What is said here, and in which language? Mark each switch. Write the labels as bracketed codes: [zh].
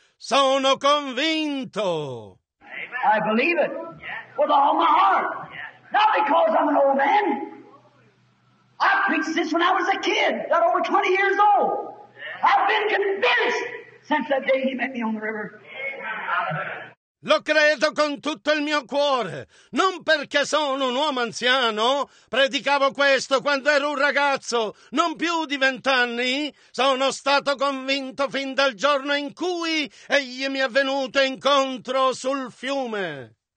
[it] Sono convinto. [en] I believe it with all my heart. Not because I'm an old man. I preached this when I was a kid, not over 20 years old. I've been convinced since that day he met me on the river. [it] Lo credo con tutto il mio cuore, non perché sono un uomo anziano, predicavo questo quando ero un ragazzo, non più di 20 anni, sono stato convinto fin dal giorno in cui egli mi è venuto incontro sul fiume.